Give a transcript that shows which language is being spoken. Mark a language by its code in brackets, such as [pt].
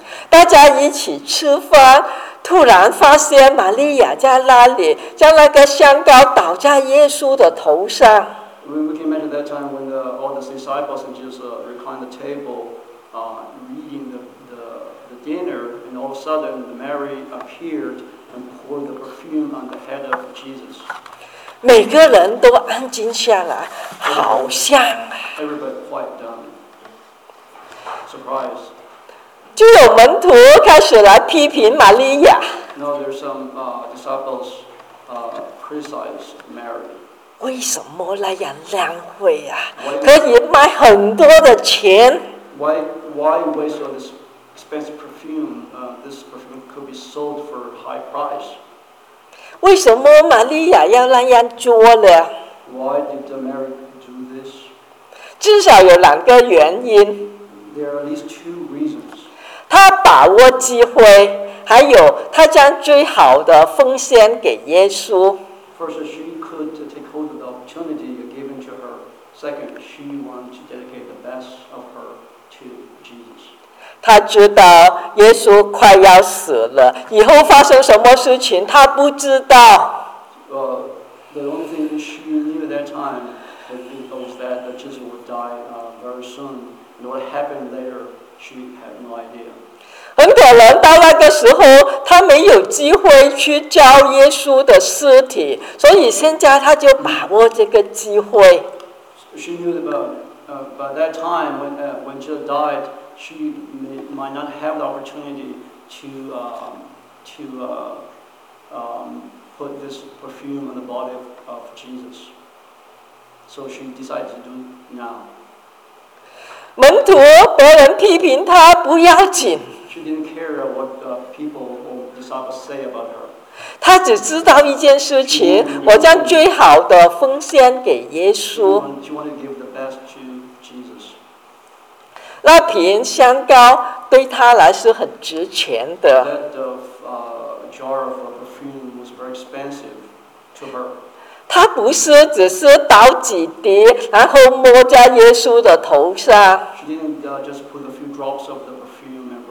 [zh] 大家一起吃饭，突然发现玛利亚在那里将那个香膏倒在耶稣的头上。 [en] We can imagine that time when the, all the disciples and Jesus reclined the table, eating the dinner, and all of a sudden Mary appeared and poured the perfume on the head of Jesus. [zh] 每个人都安静下来，好像。 [en] Everybody quiet down. Surprise. [zh] 就有门徒开始来批评玛利亚。 [en] No, there's some disciples criticize Mary. [zh] 为什么那样浪费啊？可以卖很多的钱。 [en] Why waste all this expensive perfume? This perfume could be sold for high price. [zh] 为什么玛利亚要那样做呢 [en] ？Why did Mary do this? [zh] 至少有两个原因。 [en] There are at least two reasons. [zh] 她把握机会，还有她将最好的奉献给耶稣。 [en] First, she could take hold of the opportunity given to her. Second, she wanted to dedicate the best of her to Jesus. [zh] 她知道耶稣快要死了，以后发生什么事情她不知道。 [en] The only thing she knew at that time was that Jesus would die very soon. And what happened later, she had no idea. [zh] 很可能到那个时候他没有机会去教耶稣的尸体，所以现在他就把握这个机会。 [en] She knew that by that time when Jesus died, she might not have the opportunity to put this perfume on the body of Jesus. So she decided to do now. [zh] 门徒别人批评他不要紧。 [en] She didn't care what people or disciples say about her. [zh] 她只知道一件事情，我将最好的奉献给耶稣。 [en] She wanted to give the best to Jesus. [zh] 那瓶香膏对她来是很值钱的。 [en] That jar of perfume was very expensive to her. [zh] 她不是只是倒几滴，然后抹在耶稣的头上。 [en] She didn't just put a few drops of the perfume.